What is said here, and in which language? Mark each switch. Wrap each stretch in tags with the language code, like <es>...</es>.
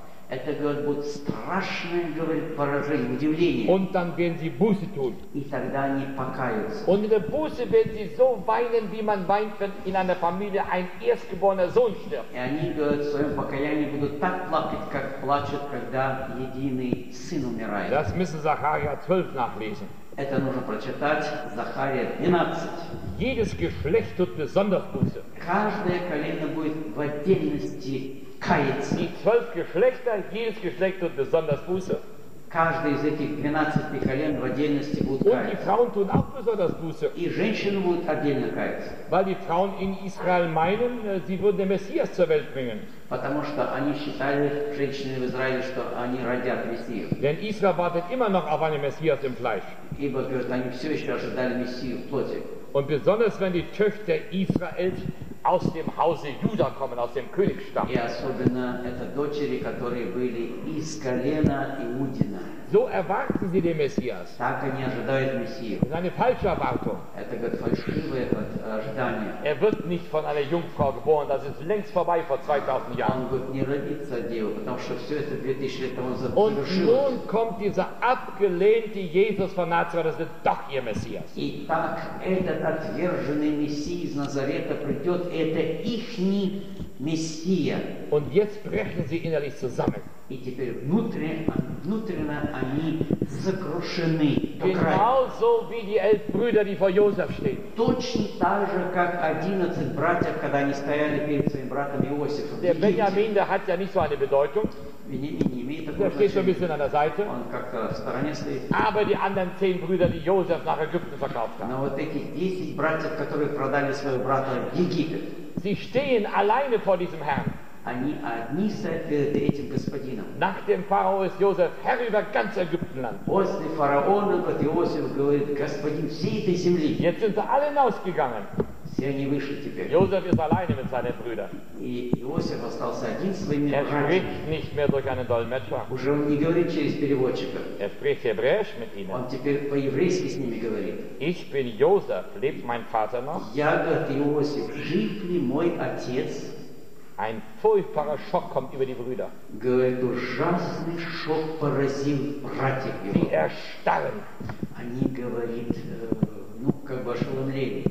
<ru>Это будет страшное, говорит, поражение, удивление.</ru> <de>Und dann werden sie Buße tun.</de> <ru>И тогда они покаются.</ru> <de>Und in der Buße werden sie so weinen, wie man weint, wenn in einer Familie ein erstgeborener Sohn stirbt.</de> <ru>И они, говорит, в своем покаянии будут так плакать, как плачут, когда единый сын умирает.</ru> <de>Das müssen Zacharia 12 nachlesen.</de> <ru>Это нужно прочитать Захария 12.</ru> <de>Jedes Geschlecht tut besonders Buße.</de> <ru>Каждое колено будет в отдельности каяться.</ru> <de>Die 12 Geschlechter, jedes Geschlecht tut besonders Buße.</de> <ru>Каждое из этих 12 колен в отдельности будет каяться.</ru> <de>Und die Frauen tun auch besonders Buße.</de> <ru>И женщины будут отдельно каяться.</ru> <de>Weil die Frauen in Israel meinen, sie würden den Messias zur Welt bringen.</de> <ru>Потому что они считали, женщины в Израиле, что они родят Мессию.</ru> <de>Denn Israel wartet immer noch auf einen Messias im Fleisch.</de> <ru>Ибо, говорит, они все еще ожидали Мессию в плоти.</ru> <de>Und besonders, wenn die Töchter Israels aus dem Hause Juda kommen, aus dem Königsstamm.</de> <ru>И особенно это дочери, которые были из колена Иудина.</ru> <de>So erwarten sie den Messias.</de> <ru>Так они ожидают Мессию.</ru> <de>Das ist eine falsche Erwartung.</de> <ru>Это, говорит, фальшивое ожидание.</ru> <de>Er wird nicht von einer Jungfrau geboren, das ist längst vorbei vor 2000 Jahren.</de> <ru>Он wird не родиться от девы, потому что все это 2000 лет тому завершилось.</ru> <de>Und nun kommt dieser abgelehnte Jesus von Nazareth, das wird doch ihr Messias.</de> <ru>И так этот отверженный Мессия из Назарета придет, это ихний Мессия.</ru> <de>Und jetzt brechen sie innerlich zusammen.</de> <ru>И теперь внутренне они сокрушены.</ru> <de>Genauso wie die 11 Brüder, die vor Josef stehen.</de> <ru>Точно так же, как 11 братьев, когда они стояли перед своим братом Иосифом.</ru> <de>Der Benjamin, der hat ja nicht so eine Bedeutung. Benjamin steht so ein bisschen an der Seite.</de> <ru>Он как-то в стороне стоит.</ru> <de>Aber die anderen 10 Brüder, die Josef nach Ägypten verkauft hat.</de> <ru>Но вот этих 10 братьев, которые продали своего брата в Египет.</ru> <de>Sie stehen alleine vor diesem Herrn.</de> <ru>Они одни перед этим господином.</ru> <de>Nach dem Pharao ist Josef Herr über ganz Ägyptenland.</de> <ru>После фараона Иосиф говорит, господин всей этой земли.</ru> <de>Jetzt sind sie alle hinausgegangen.</de> <ru>Все они вышли теперь.</ru> <de>Josef ist alleine mit seinen Brüdern.</de> <ru>И Иосиф остался один с своими братьями.</ru> <de>Er spricht nicht mehr durch einen Dolmetscher.</de> <ru>Уже он не говорит через переводчика.</ru> <de>Er spricht Hebräisch mit ihnen.</de> <ru>Он теперь по-еврейски с ними говорит.</ru> <de>Ich bin Josef, lebt mein Vater noch?</de> <ru>Я, говорит Иосиф, жив ли мой отец?</ru> <de>Ein furchtbarer Schock kommt über die Brüder.</de> <ru>Говорит, ужасный шок поразил братьев его.</ru> <de>Sie erstarren.</de> <ru>Они говорит, ну, как бы ошеломление.</ru>